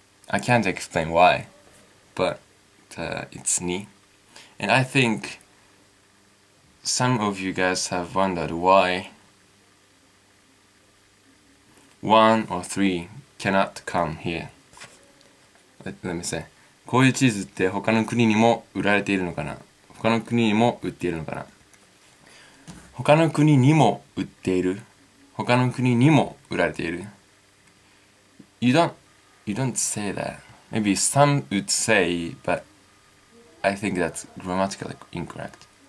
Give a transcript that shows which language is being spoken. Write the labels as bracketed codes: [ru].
[en] I can't explain why, but it's ni. And I think some of you guys have wondered why one or three cannot come here. Let me say. [ja] こういうチーズって他の国にも売られているのかな？他の国にも売っているのかな？他の国にも売っている。他の国にも売られている。 [en] You don't say that. Maybe some would say, but I think that's grammatically incorrect.